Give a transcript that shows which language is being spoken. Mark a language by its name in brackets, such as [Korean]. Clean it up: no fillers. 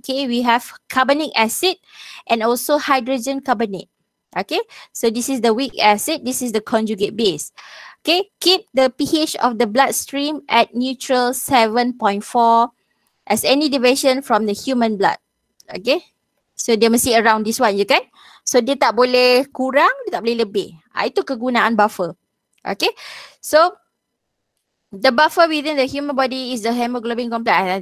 [English] Okay, we have carbonic acid and also hydrogen carbonate. Okay, so this is the weak acid, this is the conjugate base. Okay, keep the pH of the bloodstream at neutral 7.4 as any deviation from the human blood. Okay, so [Malay] dia mesti [English] around this one, you kan? [Malay] So dia tak boleh kurang, dia tak boleh lebih. Itu kegunaan buffer. [English] Okay, so the buffer within the human body is the hemoglobin complex.